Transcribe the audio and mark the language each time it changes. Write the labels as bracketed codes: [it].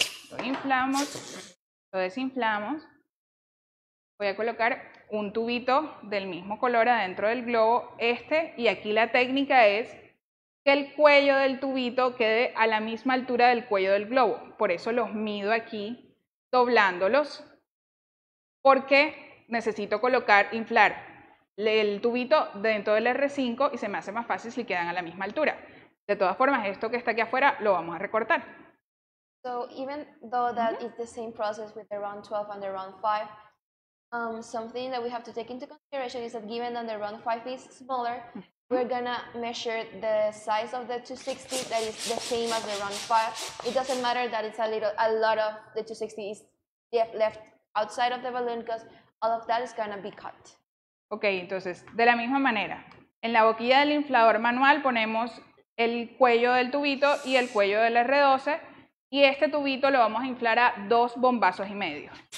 [es] Lo inflamos, lo desinflamos. Voy a colocar un tubito del mismo color adentro del globo, este, y aquí la técnica es que el cuello del tubito quede a la misma altura del cuello del globo. Por eso los mido aquí doblándolos, porque necesito colocar, inflar el tubito dentro del R5 y se me hace más fácil si quedan a la misma altura. De todas formas, esto que está aquí afuera lo vamos a recortar. [en] So even though that is the same process with the round 12 and the round 5, something that we have to take into consideration is that given that the round 5 is smaller, we're gonna measure the size of the 260 that is the same as the round 5. It doesn't matter that it's a lot of the 260 is left outside of the balloon because all of that is gonna be cut. [es] Ok, entonces, de la misma manera, en la boquilla del inflador manual ponemos el cuello del tubito y el cuello del R12 y este tubito lo vamos a inflar a 2 bombazos y medio.